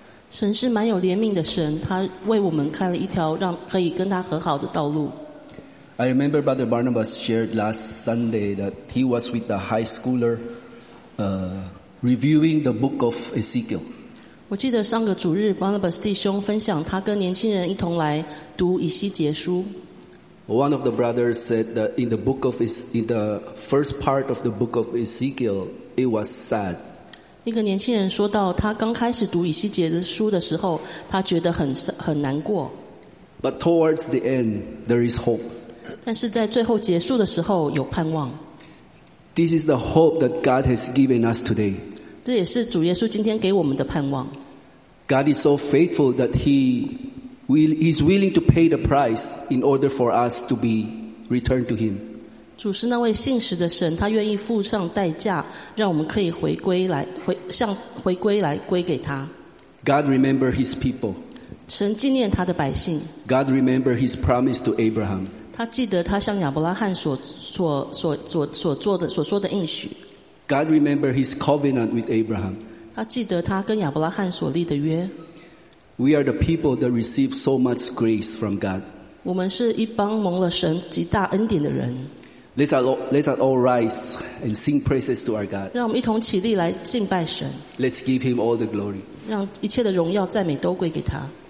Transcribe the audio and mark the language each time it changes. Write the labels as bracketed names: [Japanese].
[Chinese] 神是蛮有怜悯的神，他为我们开了一条让可以跟他和好的道路。 [English] I remember Brother Barnabas shared last Sunday that he was with a high schooler, reviewing the book of Ezekiel. [Chinese] 我记得上个主日 ，Barnabas 弟兄分享他跟年轻人一同来读以西结书。 [English] One of the brothers said that in the book of in the first part of the book of Ezekiel, it was sad. [Chinese] 一个年轻人说到，他刚开始读以西结的书的时候，他觉得很难过。 [English] But towards the end, there is hope. [Chinese] 但是在最后结束的时候，有盼望。 [English] This is the hope that God has given us today. [Chinese] 这也是主耶稣今天给我们的盼望。 [English] God is so faithful that He is willing to pay the price in order for us to be returned to Him. [Chinese] 主是那位信实的神，他愿意付上代价，让我们可以回归来回归来归给他。 [English] God remember His people. [Chinese] 神纪念他的百姓。 [English] God remember His promise to Abraham. [Chinese] 他记得他向亚伯拉罕所说的应许。 [English] God remember His covenant with Abraham. [Chinese] 他记得他跟亚伯拉罕所立的约。 [English] We are the people that receive so much grace from God. [Chinese] 我们是一帮蒙了神极大恩典的人。 [English] Let us all rise and sing praises to our God. [Chinese] 让我们一同起立来敬拜神。 [English] Let's give Him all the glory. [Chinese] 让一切的荣耀赞美都归给他。